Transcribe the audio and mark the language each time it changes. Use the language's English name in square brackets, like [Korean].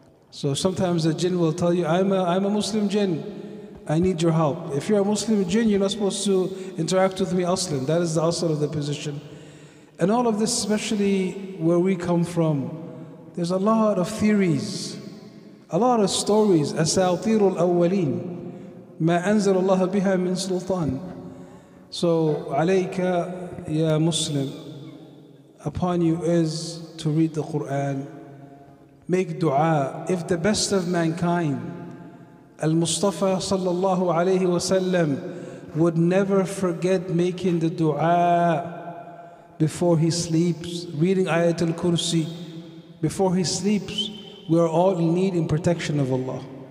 [English] So sometimes the jinn will tell you, I'm a Muslim jinn, I need your help. If you're a Muslim jinn, you're not supposed to interact with me aslan. That is the asal of the position. And all of this, especially where we come from, there's a lot of theories, a lot of stories. [Arabic] أساطير الأولين ما أنزل الله بها من سلطان. So عليك يا مسلم [English] upon you is to read the Quran, make dua. If the best of mankind, Al-Mustafa sallallahu alayhi wa sallam, would never forget making the dua before he sleeps, reading Ayatul Kursi before he sleeps, we are all in need in protection of Allah.